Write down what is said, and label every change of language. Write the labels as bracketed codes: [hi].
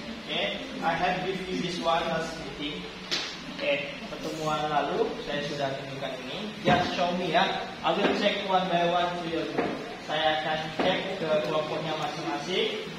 [en] Okay, I have given you this one last meeting. [id] Okay, pertemuan lalu saya sudah tunjukkan ini. [en] Just show me ya. I will check one by one to your group. [id] Saya akan check ke kelompoknya masing-masing.